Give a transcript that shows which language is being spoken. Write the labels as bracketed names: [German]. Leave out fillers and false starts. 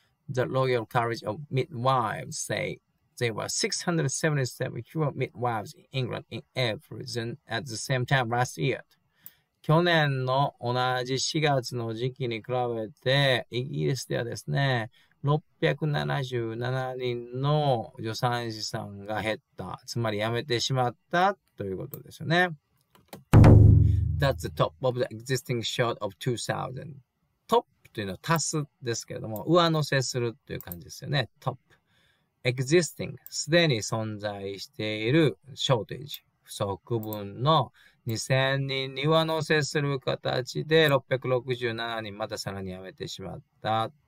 [English] The Royal College of Midwives say there were 677 fewer midwives in England in April than at the same time last year. [Japanese] 去年の同じ4月の時期に比べて、イギリスではですね、677人の助産師さんが減った、つまり辞めてしまったということですよね。 [English] That's the top of the existing short of 2000. [Japanese] Top というのは足すですけれども、上乗せするという感じですよね。 Top. Existing. すでに存在している shortage. 不足分の2000人に上乗せする形で667人またさらに辞めてしまった。